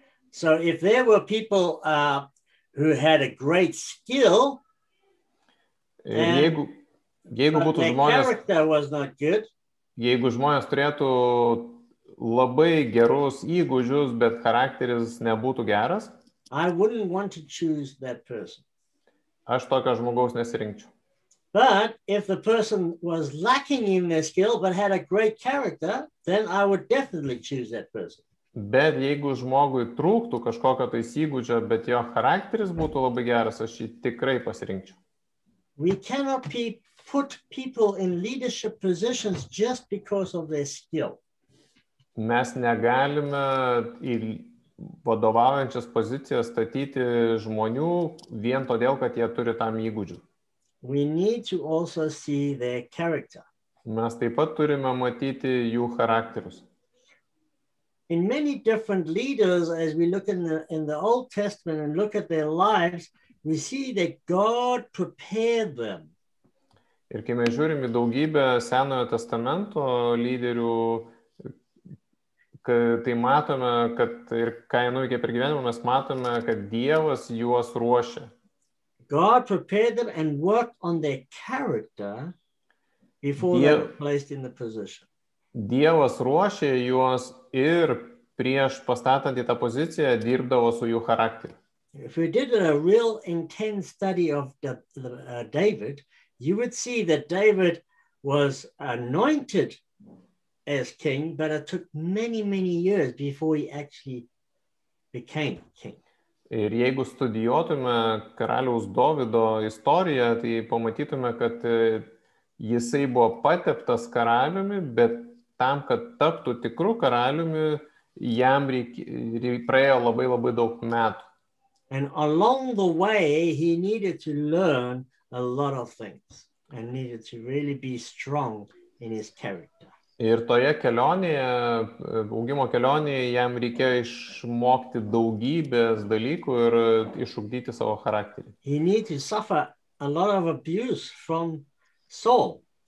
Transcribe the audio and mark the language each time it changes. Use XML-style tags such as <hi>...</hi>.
<en>So if there were people who had a great skill,</en> <lt>jeigu būtų žmonės, jeigu žmonės turėtų labai gerus įgūdžius, bet charakteris nebūtų geras,</lt> <en>I wouldn't want to choose that person.</en> <lt>Aš tokio žmogaus nesirinkčiau.</lt> <en>But if the person was lacking in their skill but had a great character, then I would definitely choose that person.</en> <lt>Bet jeigu žmogui trūktų kažkokio tais įgūdžio, bet jo charakteris būtų labai geras, aš jį tikrai pasirinkčiau.</lt> <en>We cannot put people in leadership positions just because of their skill.</en> <lt>Mes negalime į vadovaujančias pozicijas statyti žmonių vien todėl, kad jie turi tam įgūdžių.</lt> <en>We need to also see their character.</en> <lt>Mes taip pat turime matyti jų charakterius.</lt> <en>In many different leaders, as we look in the Old Testament and look at their lives, we see that God prepared them.</en> <lt>Ir kai mes žiūrim į daugybę Senojo Testamento lyderių, tai matome, kad ir ką jie nuveikė per gyvenimą, mes matome, kad Dievas juos ruošė.</lt> <en>God prepared them and worked on their character before they were placed in the position.</en> <lt>Dievas ruošė juos ir prieš pastatant į tą poziciją dirbdavo su jų charakteriu.</lt> <en>If you did a real intense study of David, you would see that David was anointed as king, but it took many, many years before he actually became king.</en> <lt>Ir jeigu studijuotume karaliaus Dovido istoriją, tai pamatytume, kad jisai buvo pateptas karaliumi, bet tam, kad taptų tikrų karaliumi, jam praėjo labai, labai daug metų.</lt> <en>And along the way, he needed to learn a lot of things and needed to really be strong in his character.</en> <lt>Ir toje kelionėje, augimo kelionėje, jam reikėjo išmokti daugybės dalykų ir išugdyti savo charakterį.</lt> <en>He needed to suffer a lot of abuse from Saul.</en>